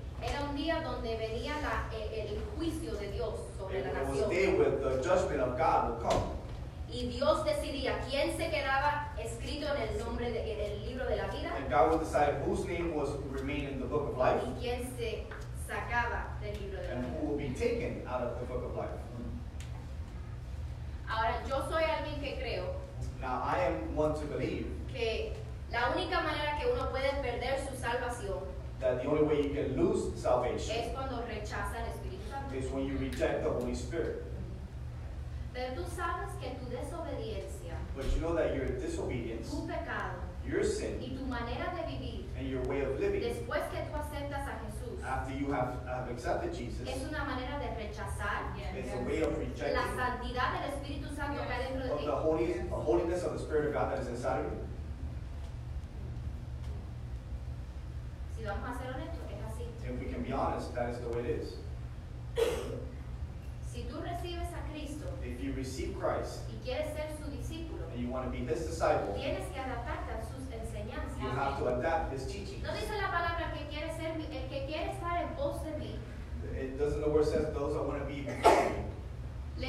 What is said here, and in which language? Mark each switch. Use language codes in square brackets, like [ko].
[es] Era un día donde venía el juicio de Dios sobre la nación. [en] It was a day where the judgment of God would come. [es] Y Dios decidía quién se quedaba escrito en el nombre de, en el libro de la vida. [en] And God would decide whose name was remain in the book of life. [es] Y quién se sacaba del libro de la vida. [en] And who would be taken out of the book of life. [es] Ahora, yo soy alguien que creo. [en] Now, I am one to believe. [es] Que la única manera que uno puede perder su salvación. [en] That the only way you can lose salvation. [es] Es cuando rechaza al Espíritu Santo. [en] Is when you reject the Holy Spirit. [es] Pero tú sabes que tu desobediencia, [en] but you know that your disobedience, [es] tu pecado, [en] your sin, [es] y tu manera de vivir, [en] and your way of living, [es] después que tú aceptas a Jesús, [en] after you have accepted Jesus, [es] es una manera de rechazar, [en] it's a way of rejecting [es] la santidad del Espíritu Santo que hay dentro de ti. [en] The holiness of the Spirit of God that is inside of you. [es] Si vamos a ser honestos, es así. [en] If we can be honest, that is the way it is. [es] Si tú recibes a Cristo, [en] if you receive Christ, [es] y quieres ser su discípulo, [en] and you want to be his disciple, [es] tienes que adaptarte a sus enseñanzas. [en] You have to adapt his teachings. [es] No dice la palabra que quiere ser mi, el que quiere estar en pos de mí. [en] It doesn't the word says those I want to be before me.